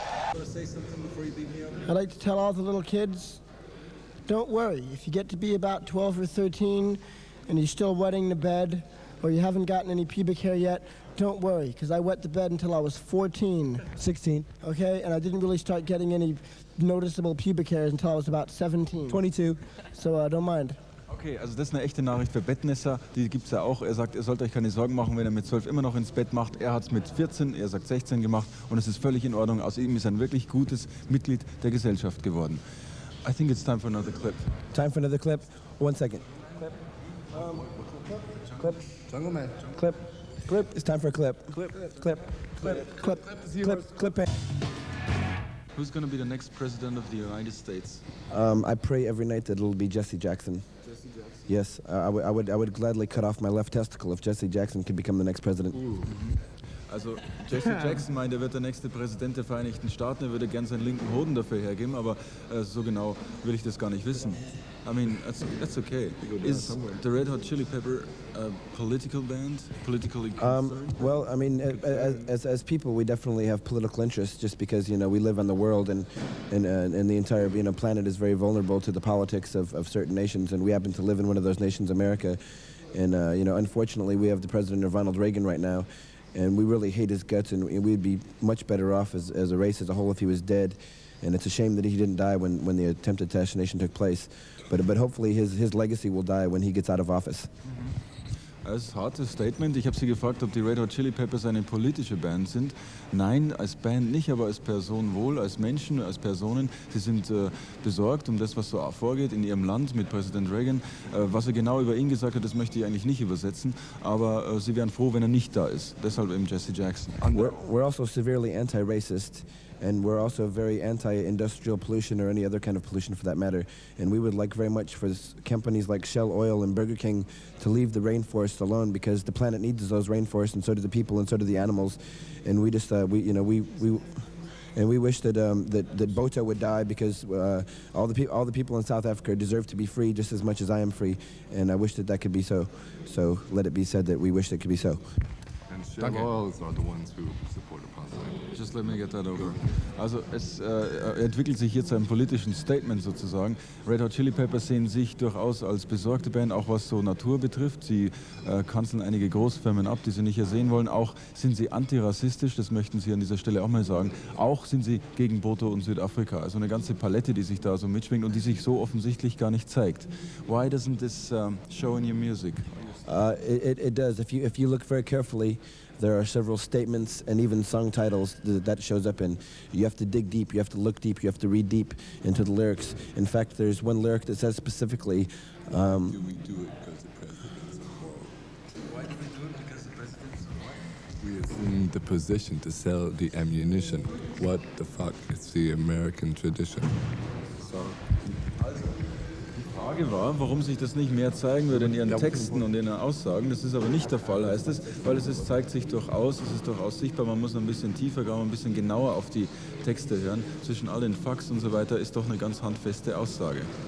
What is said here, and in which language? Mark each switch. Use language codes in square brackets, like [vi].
[en] I'd like to tell all the little kids, don't worry, if you get to be about 12 or 13 and you're still wetting the bed or you haven't gotten any pubic hair yet, Don't worry, because I wet the bed until I was 14. 16. Okay, and I didn't really start getting any noticeable pubic hairs until I was about 17. 22. So don't mind. [de] Okay, also das ist eine echte Nachricht für Bettnässer. Die gibt's ja auch. Er sagt, ihr sollt euch keine Sorgen machen, wenn er mit 12 immer noch ins Bett macht. Er hat's mit 14, er sagt 16 gemacht. Und es ist völlig in Ordnung. Aus ihm ist ein wirklich gutes Mitglied der Gesellschaft geworden. [en] I think it's time for another clip. Time for another clip. One second. Clip. Clip. Jungle Man. Clip. Clip. It's time for a clip. Clip. Clip. Clip. Clip. Clip. Clip. Who's going to be the next president of the United States? I pray every night that it'll be Jesse Jackson. Jesse Jackson? Yes. I would gladly cut off my left testicle if Jesse Jackson could become the next president. [de] Also Jesse Jackson meint, er wird der nächste Präsident der Vereinigten Staaten. Er würde gern seinen linken Hoden dafür hergeben, aber so genau will ich das gar nicht wissen. [en] I mean, that's okay. Is the Red Hot Chili Pepper a political band? Politically concerned? Well, I mean, as people, we definitely have political interests, just because, you know, we live on the world and the entire, you know, planet is very vulnerable to the politics of certain nations, and we happen to live in one of those nations, America. And, you know, unfortunately, we have the president of Ronald Reagan right now, and we really hate his guts, and we'd be much better off as a race as a whole if he was dead. And it's a shame that he didn't die when the attempted assassination took place. But hopefully his legacy will die when he gets out of office. [de] Das ist ein hartes Statement. Ich habe Sie gefragt, ob die Red Hot Chili Peppers eine politische Band sind. Nein, als Band nicht, aber als Person wohl, als Menschen, als Personen. Sie sind besorgt um das, was so vorgeht in Ihrem Land mit Präsident Reagan. Was er genau über ihn gesagt hat, das möchte ich eigentlich nicht übersetzen. Aber Sie wären froh, wenn er nicht da ist. Deshalb eben Jesse Jackson. [en] We're also severely anti-racist. And we're also very anti-industrial pollution or any other kind of pollution for that matter. And we would like very much for companies like Shell Oil and Burger King to leave the rainforest alone, because the planet needs those rainforests, and so do the people, and so do the animals. And we just, we wish that that Botha would die, because all the people in South Africa deserve to be free just as much as I am free. And I wish that that could be so. So let it be said that we wish that could be so. And Shell Oil is not the ones who support the process. Just let me get that over. [de] Also es entwickelt sich hier zu einem politischen Statement sozusagen. Red Hot Chili Peppers sehen sich durchaus als besorgte Band, auch was so Natur betrifft. Sie kanzeln einige Großfirmen ab, die sie nicht hier sehen wollen. Auch sind sie antirassistisch, das möchten sie an dieser Stelle auch mal sagen. Auch sind sie gegen Botho und Südafrika. Also eine ganze Palette, die sich da so mitschwingt und die sich so offensichtlich gar nicht zeigt. [en] Why doesn't this show in your music? It does. If you look very carefully, there are several statements and even song titles that shows up in. You have to dig deep, you have to look deep, you have to read deep into the lyrics. In fact, there's one lyric that says specifically... Why do we do it because the president's a whore? Why do we do it because the president's a whore? We are in the position to sell the ammunition. What the fuck is the American tradition? So. [de] Die Frage war, warum sich das nicht mehr zeigen würde in ihren Texten und in ihren Aussagen. Das ist aber nicht der Fall, heißt es, weil es zeigt sich durchaus, es ist durchaus sichtbar. Man muss ein bisschen tiefer gehen, ein bisschen genauer auf die Texte hören. Zwischen all den Fucks und so weiter ist doch eine ganz handfeste Aussage.